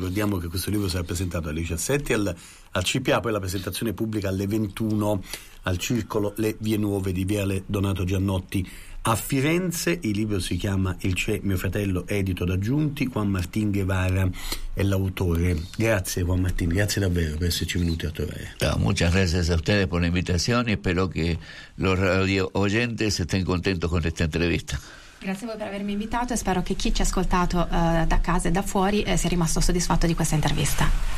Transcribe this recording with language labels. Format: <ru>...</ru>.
<it>Ricordiamo che questo libro sarà presentato alle 17 al CPA, poi la presentazione pubblica alle 21 al Circolo Le Vie Nuove di Viale Donato Giannotti a Firenze. Il libro si chiama Il C'è mio fratello, edito da Giunti. Juan Martín Guevara è l'autore. Grazie Juan Martín, grazie davvero per esserci venuti a trovare.</it> <es>Muchas gracias a ustedes por la invitación, y espero que los radio oyentes estén contentos con esta entrevista.</es> <it>Grazie a voi per avermi invitato, e spero che chi ci ha ascoltato da casa e da fuori sia rimasto soddisfatto di questa intervista.</it>